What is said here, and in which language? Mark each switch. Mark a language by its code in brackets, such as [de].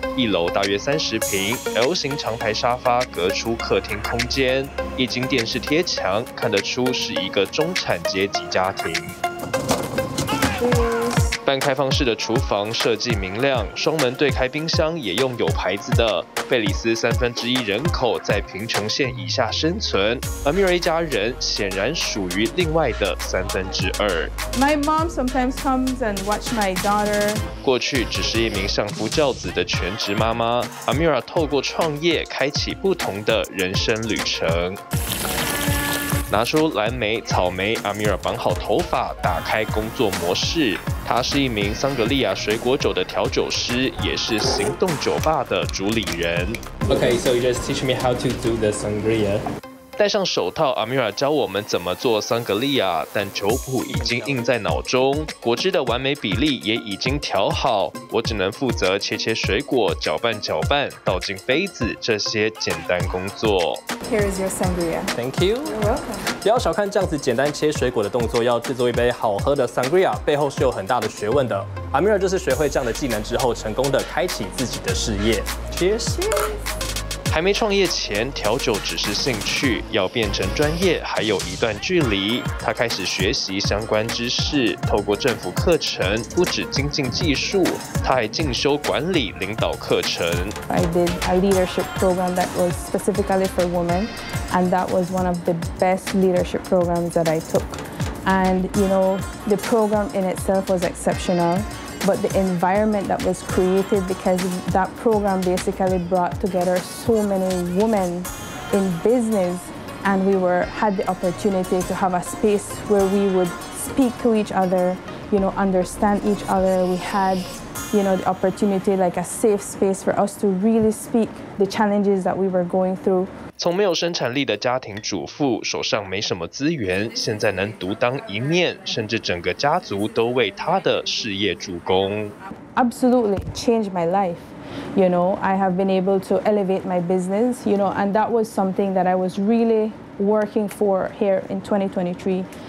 [zh] 一楼大约30平 ，L 型长排沙发隔出客厅空间，液晶电视贴墙，看得出是一个中产阶级家庭。半开放式的厨房设计明亮，双门对开冰箱也用有牌子的。贝里斯1/3人口在贫穷线以下生存，而米尔一家人显然属于另外的2/3。 [en] My mom sometimes comes and watch my daughter。 [zh] 过去只是一名相夫教子的全职妈妈，阿米尔透过创业开启不同的人生旅程。拿出蓝莓、草莓，阿米尔绑好头发，打开工作模式。他是一名桑格利亚水果酒的调酒师，也是行动酒吧的主理人。 [en] Okay, so you just teach me how to do the sangria. [zh] 戴上手套，阿米尔教我们怎么做桑格利亚，但酒谱已经印在脑中，果汁的完美比例也已经调好，我只能负责切切水果、搅拌搅拌、倒进杯子这些简单工作。 [en] Here is your sangria. Thank you. You're welcome. [zh] 不要小看这样子简单切水果的动作，要制作一杯好喝的 sangria 背后是有很大的学问的。阿米尔就是学会这样的技能之后，成功的开启自己的事业。 [en] Cheers. [zh] 还没创业前，调酒只是兴趣，要变成专业还有一段距离。他开始学习相关知识，透过政府课程，不止精进技术，他还进修管理领导课程。 [en] I did a leadership program that was specifically for women, and that was one of the best leadership programs that I took. And you know, the program in itself was exceptional. But the environment that was created because that program basically brought together so many women in business, and we were had the opportunity to have a space where we would speak to each other, you know, understand each other. We had, you know, the opportunity like a safe space for us to really speak the challenges that we were going through. [zh] 从没有生产力的家庭主妇，手上没什么资源，现在能独当一面，甚至整个家族都为她的事业助攻。 [en] Absolutely changed my life. You know, I have been able to elevate my business. You know, and that was something that I was really working for here in 2023.